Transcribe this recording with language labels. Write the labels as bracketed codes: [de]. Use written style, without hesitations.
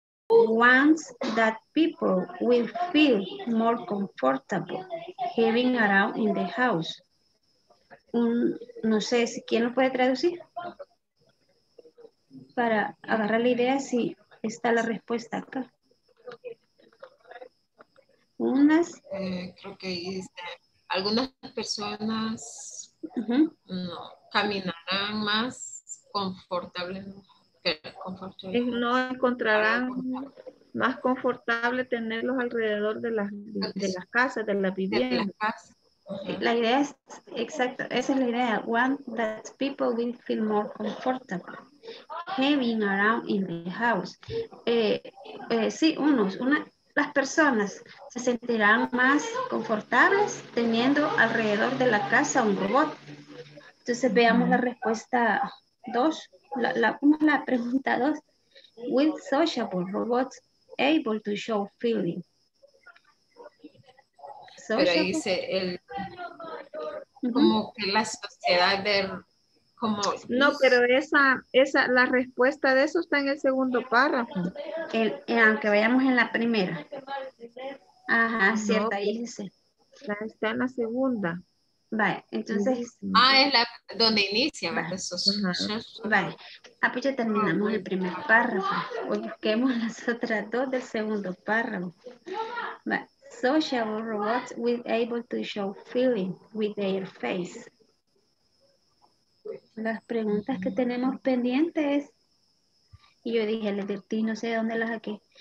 [en] Once that people will feel more comfortable having around in the house. [es] No sé si quién lo puede traducir. Para agarrar la idea, si está la respuesta acá. Unas. Creo que dice, algunas personas no caminarán más confortablemente. No encontrarán más confortable tenerlos alrededor de las casas, de la vivienda. De la casa. La idea es exacta, esa es la idea. [en] One that people will feel more comfortable having around in the house. [es] Sí, las personas se sentirán más confortables teniendo alrededor de la casa un robot. Entonces veamos la respuesta dos, la pregunta dos. [en] Will sociable robots able to show feeling? [es] Pero dice el como que la sociedad de como no, pero esa la respuesta de eso está en el segundo párrafo. Aunque vayamos en la primera. Ajá, no, cierta, dice. La está en la segunda. Vale, entonces. Ah, es la donde inicia, ¿verdad? Vale. Pues ya terminamos el primer párrafo. O busquemos las otras dos del segundo párrafo. Vale. [en] Sociable robots will be able to show feeling with their face. [es] Las preguntas que tenemos pendientes, y yo dije, les advertí, no sé dónde las saqué.